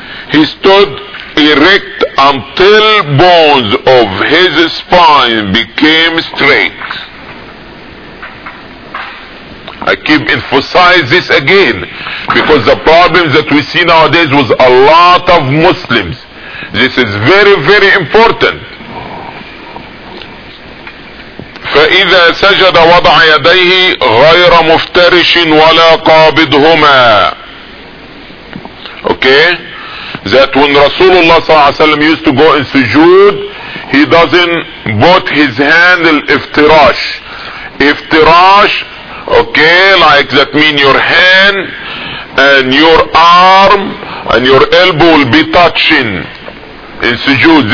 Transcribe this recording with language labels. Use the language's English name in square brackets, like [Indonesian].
[English] He stood erect until bones of his spine became straight. I keep emphasizing this again, because the problem that we see nowadays with a lot of Muslims, this is very, very important. [Arabic] فإذا سجد وضع يديه غير مفترش ولا قابضهما. [English] Okay, that when Rasulullah [Arabic] صلى الله عليه وسلم [English] used to go in sujood, he doesn't put his hand in iftirash. Iftirash, okay, like that mean your hand and your arm and your elbow will be touching in sujood.